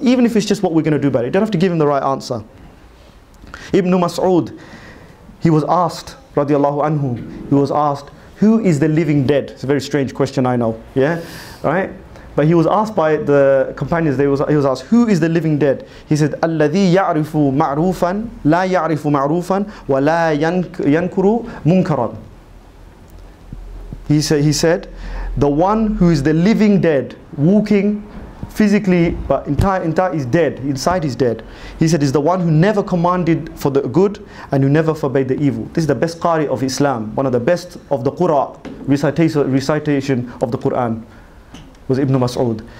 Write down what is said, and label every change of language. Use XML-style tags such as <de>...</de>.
<en>Even if it's just what we're going to do about it. You don't have to give him the right answer. Ibn Mas'ud, he was asked, radiallahu anhu, he was asked, who is the living dead? It's a very strange question, I know. Yeah? Right? But he was asked by the companions, he was asked, who is the living dead? He said,</en> <ar>الَّذِي يَعْرِفُ مَعْرُوفًا لَا يَعْرِفُ مَعْرُوفًا وَلَا يَنْكُرُ مُنْكَرًا.</ar> <en>He said, the one who is the living dead, walking physically, but entire is dead, inside is dead. He said, is the one who never commanded for the good and who never forbade the evil. This is the best Qari of Islam, one of the best of the Qur'an, recitation of the Qur'an, was Ibn Mas'ud.</en>